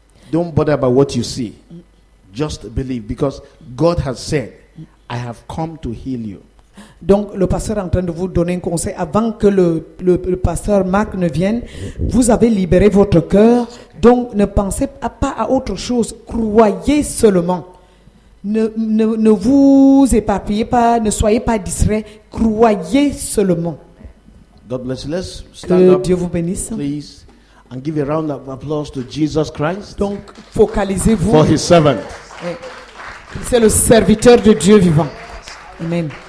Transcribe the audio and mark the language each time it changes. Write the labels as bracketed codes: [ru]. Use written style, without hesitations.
[en] Don't bother about what you see. Just believe. Because God has said, I have come to heal you. [fr] Donc le pasteur est en train de vous donner un conseil. Avant que le pasteur Marc ne vienne, vous avez libéré votre cœur. Donc ne pensez pas à autre chose. Croyez seulement. Ne vous éparpillez pas, ne soyez pas distrait, croyez seulement. [en] God bless you. Let's stand [fr] que [en] up, [fr] Dieu vous bénisse. [en] Please, and give a round of applause to Jesus Christ. [fr] Donc, focalisez-vous. [en] For his servant. [fr] C'est le serviteur de Dieu vivant. Amen.